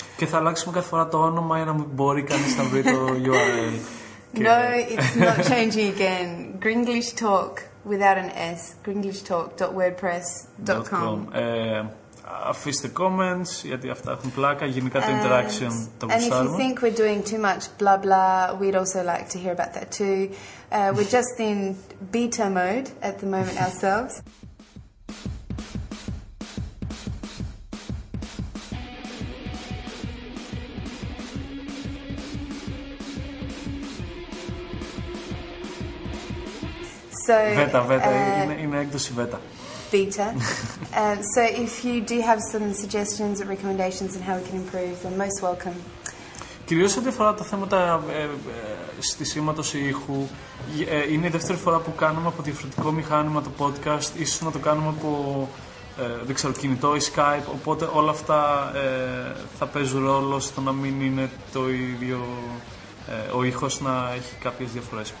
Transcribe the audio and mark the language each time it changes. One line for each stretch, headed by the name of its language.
Greek: Και θα αλλάξουμε κάθε φορά το όνομα για να μπορεί κανείς να βρει το URL.
English: No, it's not changing again. Gringlish Talk. Without an S, gringlishtalk.wordpress.com.
Greek: Αφήστε comments, γιατί αυτά έχουν πλάκα. Γενικά το interaction το βουσάρουμε.
English: And if you think we're doing too much blah blah, we'd also like to hear about that too. We're just in beta mode at the moment ourselves.
Greek: Βέτα, είναι έκδοση βέτα.
English: Beta. So if you do have some suggestions or recommendations on how we can improve, you're most welcome.
Greek: Κυρίως ό,τι αφορά τα θέματα στισήματος ήχου, είναι η δεύτερη φορά που κάνουμε από διαφορετικό μηχάνημα το podcast, ίσως να το κάνουμε από δεν ξέρω, κινητό ή Skype, οπότε όλα αυτά θα παίζουν ρόλο στο να μην είναι το ίδιο, ο ήχος να έχει κάποιες διαφορές.